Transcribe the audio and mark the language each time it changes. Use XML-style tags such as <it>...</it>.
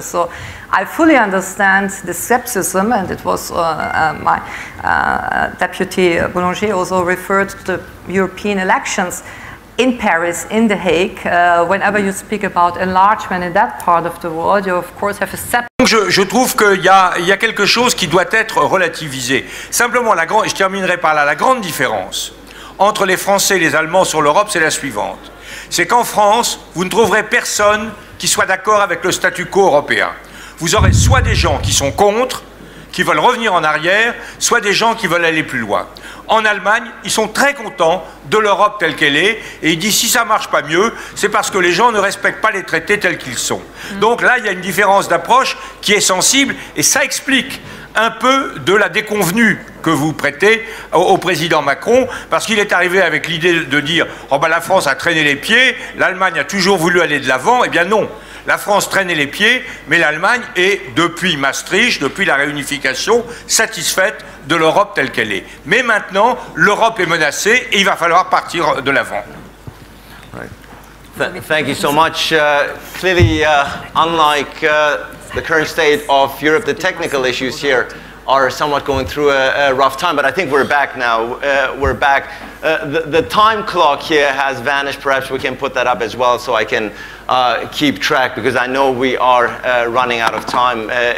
<en>So I fully understand the skepticism, and it was my deputy Boulanger also referred to the European elections in Paris, in The Hague. Whenever you speak about enlargement in that part of the world, you of course have a separate...</en> <fr>Donc je trouve qu'il y a quelque chose qui doit être relativisé. Simplement, je terminerai par là. La grande différence entre les Français et les Allemands sur l'Europe, c'est la suivante. C'est qu'en France, vous ne trouverez personne qui soit d'accord avec le statu quo européen. vous aurez soit des gens qui sont contre, qui veulent revenir en arrière, soit des gens qui veulent aller plus loin. En Allemagne, ils sont très contents de l'Europe telle qu'elle est, et ils disent si ça ne marche pas mieux, c'est parce que les gens ne respectent pas les traités tels qu'ils sont. Mmh. Donc là, il y a une différence d'approche qui est sensible, et ça explique un peu de la déconvenue que vous prêtez au président Macron, parce qu'il est arrivé avec l'idée de dire « Oh ben la France a traîné les pieds, l'Allemagne a toujours voulu aller de l'avant », eh bien non. La France traînait les pieds, mais l'Allemagne est, depuis Maastricht, depuis la réunification, satisfaite de l'Europe telle qu'elle est. Mais maintenant, l'Europe est menacée et il va falloir partir de l'avant.</fr> <en>Thank you so much. Clearly, unlike the current state of Europe, the technical issues here are somewhat going through a rough time, but I think we're back now. We're back. The time clock here has vanished. Perhaps we can put that up as well so I can keep track, because I know we are running out of time.</en>